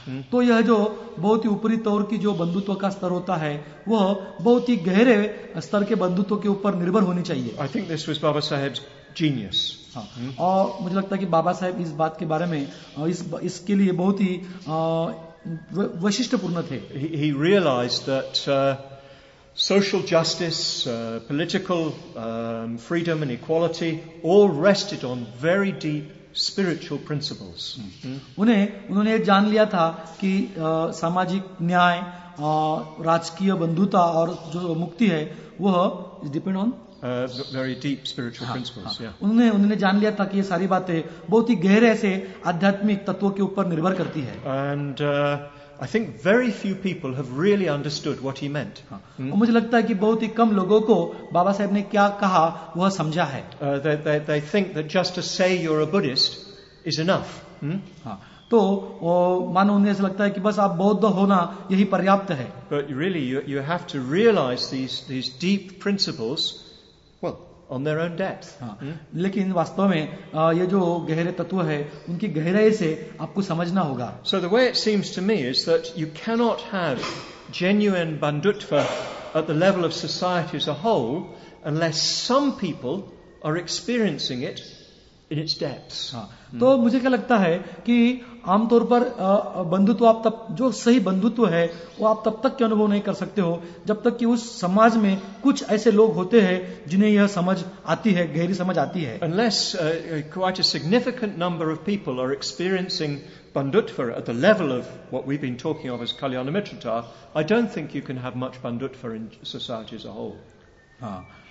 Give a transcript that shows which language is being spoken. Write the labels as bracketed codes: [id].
[hi] तो यह जो बहुत ही ऊपरी तौर की जो बंधुत्व का स्तर होता है वह बहुत ही गहरे स्तर के बंधुत्व के ऊपर निर्भर होनी चाहिए. [en] I think this was Baba Saheb's genius. [hi] और मुझे लगता है कि बाबा साहेब इस बात के बारे में इसके लिए बहुत ही वैशिष्ट्यपूर्ण थे. [en] He realized that social justice, political freedom and equality all rested on very deep spiritual principles. [hi] उन्होंने ये जान लिया था कि सामाजिक न्याय, राजकीय बंधुता और जो मुक्ति है वह [en] Depend on very deep spiritual principles. [hi] उन्होंने जान लिया था कि ये सारी बातें बहुत ही गहरे से आध्यात्मिक तत्वों के ऊपर निर्भर करती है. [en] And I think very few people have really understood what he meant. [hi] मुझे लगता है कि बहुत ही कम लोगों को बाबा साहेब ने क्या कहा वह समझा है. [en] They think that just to say you're a Buddhist is enough. [hi] तो मानो उन्हें ऐसा लगता है कि बस आप बौद्ध होना यही पर्याप्त है. [en] But really you have to realize these deep principles on their own depth. [hi] लेकिन वास्तव में ये जो गहरे तत्व है उनकी गहराई से आपको समझना होगा. [en] So the way it seems to me is that you cannot have genuine bandhutva at the level of society as a whole unless some people are experiencing it in its depths. [hi] तो मुझे क्या लगता है कि आमतौर पर बंधुत्व आप तब जो सही बंधुत्व है वो आप तब तक क्यों अनुभव नहीं कर सकते हो जब तक कि उस समाज में कुछ ऐसे लोग होते हैं जिन्हें यह समझ आती है गहरी समझ आती है. [en] Unless quite a significant number of people are experiencing bandhutva at the level of what we've been talking of as Kalyanamitrata, I don't think you can have much bandhutva in society as a whole.